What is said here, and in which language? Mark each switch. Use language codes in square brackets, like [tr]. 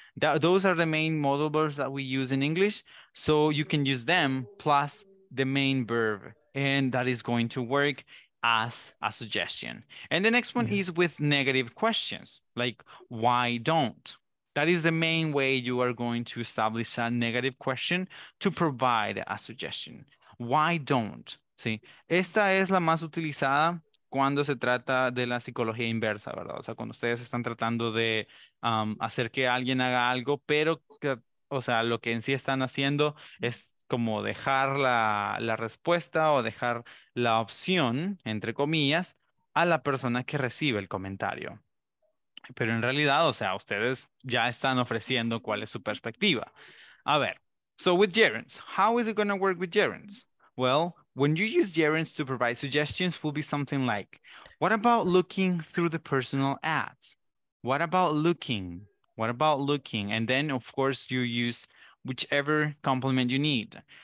[en] Those are the main modal verbs that we use in English. So you can use them plus the main verb. And that is going to work as a suggestion. And the next one is with negative questions. Like, why don't? That is the main way you are going to establish a negative question to provide a suggestion. Why don't? [es] Sí, esta es la más utilizada cuando se trata de la psicología inversa, ¿verdad? O sea, cuando ustedes están tratando de hacer que alguien haga algo, pero, que, o sea, lo que en sí están haciendo es como dejar la respuesta o dejar la opción, entre comillas, a la persona que recibe el comentario. Pero en realidad, o sea, ustedes ya están ofreciendo cuál es su perspectiva. A ver, [en] so with gerunds, how is it going to work with gerunds? Well, when you use gerunds to provide suggestions, will be something like, what about looking through the personal ads? What about looking? What about looking? And then, of course, you use whichever compliment you need.